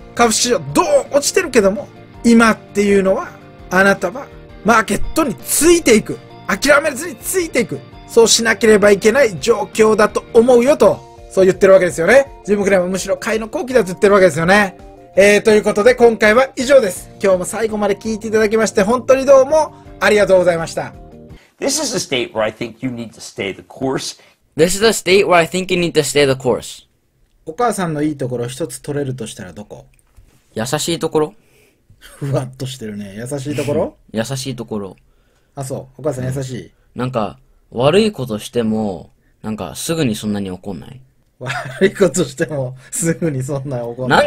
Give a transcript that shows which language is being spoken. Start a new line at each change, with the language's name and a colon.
Japanese: 株式市場、どう落ちてるけども、今っていうのは、あなたは、マーケットについていく。諦めずについていく。そうしなければいけない状況だと思うよと。そう言ってるわけですよね。ジムクレーマーむしろ買いの好機だと言ってるわけですよね。ということで今回は以上です。今日も最後まで聞いていただきまして本当にどうもありがとうございました。
English: This is the state where I think you need to stay the course. This is the state where I think you need to stay the course.
Japanese: お母さんのいいところ一つ取れるとしたらどこ？優しいところ。ふわっとしてるね。優しいところ？優しいところ。あ、そう。お母さん優しい。なんか悪いことしてもなんかすぐにそんなに怒んない。悪いことしてもすぐにそんなに怒らない。